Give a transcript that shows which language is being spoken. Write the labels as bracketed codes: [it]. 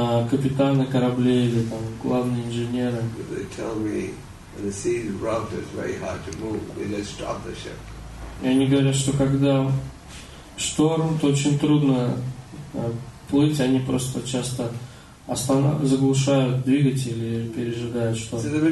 [ru] капитаны кораблей или там главные инженеры. [en] They tell me when the sea is rough, it's very hard to move. They just stop the ship. [ru] И они говорят, что когда шторм, то очень трудно плыть, они просто часто заглушают двигатель или пережидают что-то.